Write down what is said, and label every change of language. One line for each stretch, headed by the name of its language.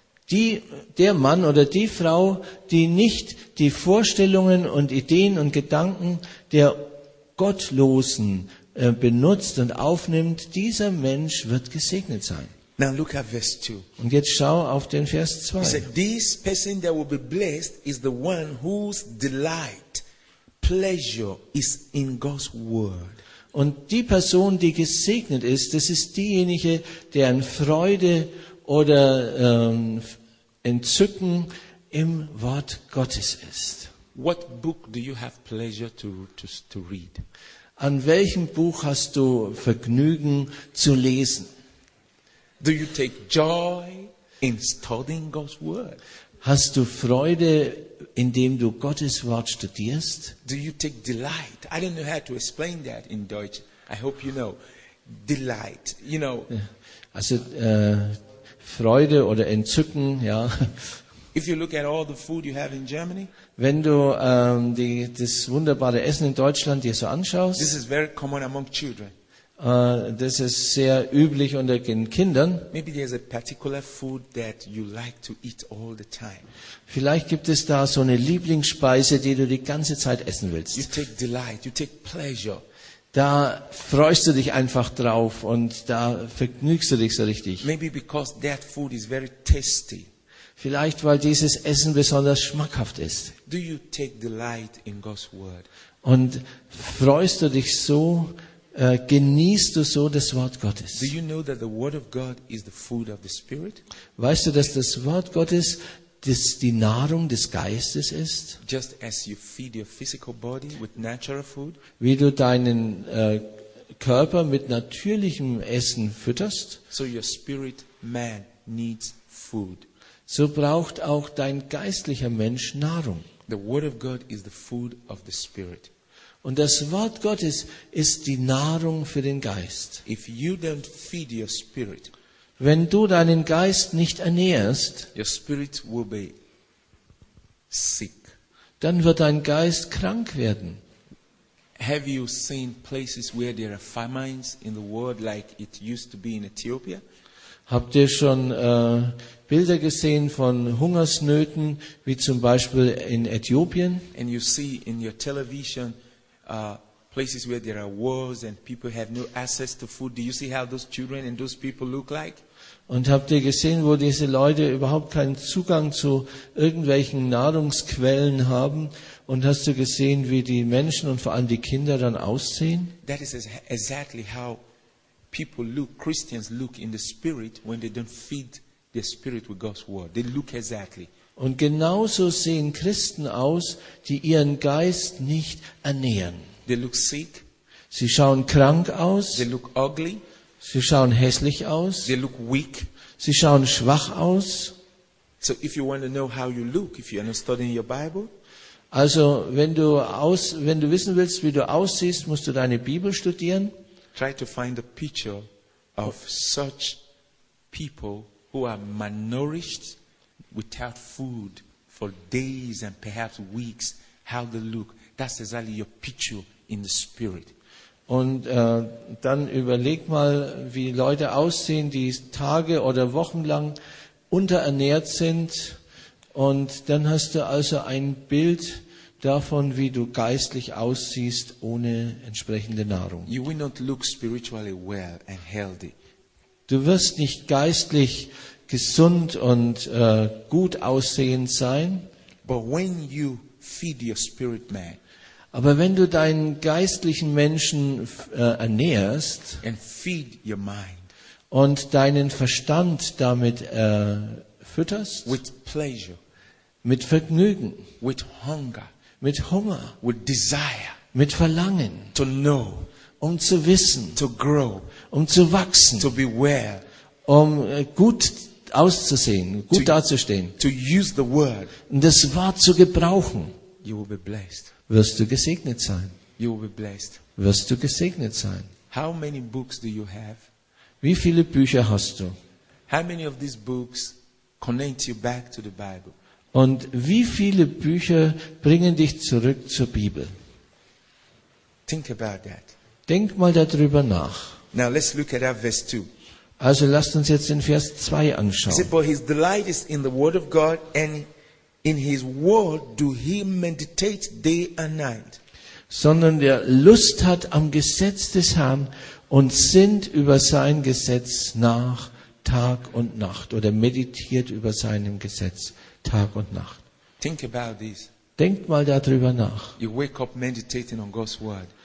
German: Der Mann oder die Frau, die nicht die Vorstellungen und Ideen und Gedanken der Gottlosen benutzt und aufnimmt, dieser Mensch wird gesegnet sein.
English: Now look at verse 2.
German: Und jetzt schau auf den Vers 2.
English: He said, this person that will be blessed is the one whose delight, pleasure is in God's word.
German: Und die Person, die gesegnet ist, das ist diejenige, deren Freude oder Entzücken im Wort Gottes ist.
English: What book do you have pleasure to read?
German: An welchem Buch hast du Vergnügen zu lesen?
English: Do you take joy in studying God's word?
German: Hast du Freude, indem du Gottes Wort studierst?
English: Do you take delight? I don't know how to explain that in Deutsch. I hope you know. Delight. You know.
German: Also Freude oder Entzücken, ja.
English: If you look at all the food you have in Germany,
German: wenn du das wunderbare Essen in Deutschland dir so anschaust,
English: this is very common among children.
German: Das ist sehr üblich unter den Kindern.
English: Maybe there's a particular food that you like to eat all the time.
German: Vielleicht gibt es da so eine Lieblingsspeise, die du die ganze Zeit essen willst.
English: You take delight, you take pleasure.
German: Da freust du dich einfach drauf und da vergnügst du dich so richtig.
English: Maybe because that food is very tasty.
German: Vielleicht weil dieses Essen besonders schmackhaft ist.
English: Do you take delight in God's word?
German: Und freust du dich so, genießt du so das Wort Gottes?
English: Do you know that the word of God is the food of the Spirit?
German: Weißt du, dass das Wort Gottes die Nahrung des Geistes ist?
English: Just as you feed your physical body with natural food.
German: Wie du deinen Körper mit natürlichem Essen fütterst.
English: So your spirit man needs food.
German: So braucht auch dein geistlicher Mensch Nahrung.
English: The word of God is the food of the Spirit.
German: Und das Wort Gottes ist die Nahrung für den Geist.
English: If you don't feed your spirit,
German: wenn du deinen Geist nicht ernährst,
English: your spirit will be sick.
German: Dann wird dein Geist krank werden.
English: Have you seen places where there are famines in the world like it used to be in Ethiopia?
German: Habt ihr schon Bilder gesehen von Hungersnöten, wie zum Beispiel in Äthiopien?
English: And you see in your television places where there are wars and people have no access to food. Do you see how those children and those people look like?
German: Und habt ihr gesehen, wo diese Leute überhaupt keinen Zugang zu irgendwelchen Nahrungsquellen haben? Und hast du gesehen, wie die Menschen und vor allem die Kinder dann aussehen?
English: That is exactly how people look, Christians look in the spirit when they don't feed their spirit with God's word. They look exactly.
German: Und genauso sehen Christen aus, die ihren Geist nicht ernähren.
English: They look sick.
German: Sie schauen krank aus.
English: They look ugly.
German: Sie schauen hässlich aus.
English: They look weak.
German: Sie schauen schwach aus.
English: So if you want to know how you look, if you are not studying your Bible.
German: Also, wenn du wissen willst, wie du aussiehst, musst du deine Bibel studieren.
English: Try to find a picture of such people who are malnourished without food for days and perhaps weeks, how they look. That's exactly your picture in the spirit.
German: Und dann überleg mal, wie Leute aussehen, die Tage oder Wochen lang unterernährt sind. Und dann hast du also ein Bild davon, wie du geistlich aussiehst, ohne entsprechende Nahrung.
English: You will not look spiritually well and healthy.
German: Du wirst nicht geistlich gesund und gut aussehend sein.
English: But when you feed your spirit man,
German: aber wenn du deinen geistlichen Menschen ernährst
English: and feed your mind,
German: und deinen Verstand damit fütterst,
English: with pleasure,
German: mit Vergnügen,
English: with hunger,
German: mit Hunger,
English: with desire,
German: mit Verlangen,
English: to know,
German: um zu wissen,
English: to grow,
German: um zu wachsen,
English: to be well,
German: um gut auszusehen, gut dazustehen,
English: to use the word,
German: das Wort zu gebrauchen,
English: you will be blessed.
German: Wirst du gesegnet sein.
English: You will be blessed.
German: Wirst du gesegnet sein.
English: How many books do you have?
German: Wie viele Bücher hast du?
English: How many of these books connect you back to the Bible?
German: Und wie viele Bücher bringen dich zurück zur Bibel?
English: Think about that.
German: Denk mal darüber nach.
English: Now let's look at our verse 2.
German: Also lasst uns jetzt den Vers 2 anschauen.
English: He said, for his delight is in the word of God, and in his word do he meditate day and night.
German: Sondern der Lust hat am Gesetz des Herrn und sinnt über sein Gesetz nach Tag und Nacht oder meditiert über seinem Gesetz Tag und Nacht.
English: Think about this.
German: Denkt mal darüber nach.
English: You wake up meditating on God's word.